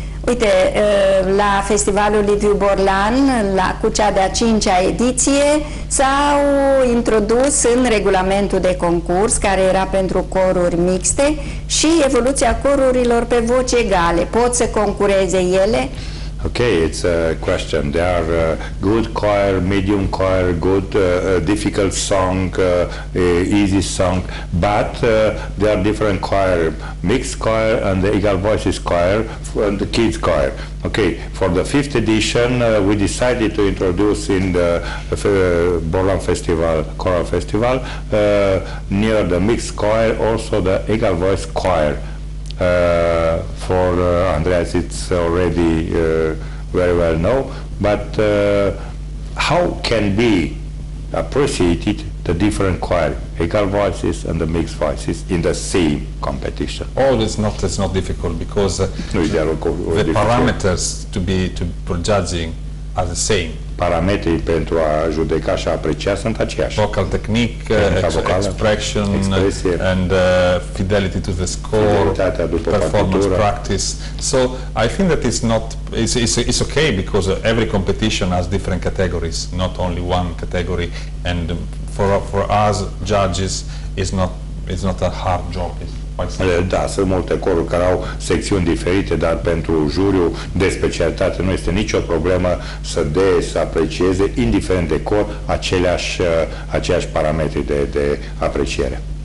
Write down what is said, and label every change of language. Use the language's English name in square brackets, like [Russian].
[Romanian] Uite, la festivalul Liviu Borlan, la cu cea de-a cincea ediție, s-au introdus în regulamentul de concurs, care era pentru coruri mixte, și evoluția corurilor pe voci egale. Pot să concureze ele? [English] Ok, it's a question. There are good choir, medium choir, good difficult song, easy song, but there are different choir, mixed choir and the equal voices choir and the kids choir. Ok, for the fifth edition we decided to introduce in the Borlan Festival, Choral Festival, near the mixed choir also the equal voice choir. For Andreas it's already very well known, but how can be appreciated the different choir, equal voices and the mixed voices in the same competition? Oh, it's not difficult, because the parameters to be judging are the same. [Romanian] Parametrii pentru a judeca și a aprecia sunt aceiași. [English] Vocal technique, expression, [Romanian] expresie, [English] and fidelity to the score, performance [Romanian] partitura. [English] Practice. So I think that it's okay, because every competition has different categories, not only one category. And for us judges, it's not a hard job. [Romanian] Da, sunt multe coruri care au secțiuni diferite, dar pentru juriu de specialitate nu este nicio problemă să aprecieze, indiferent de cor, aceleași parametri de apreciere.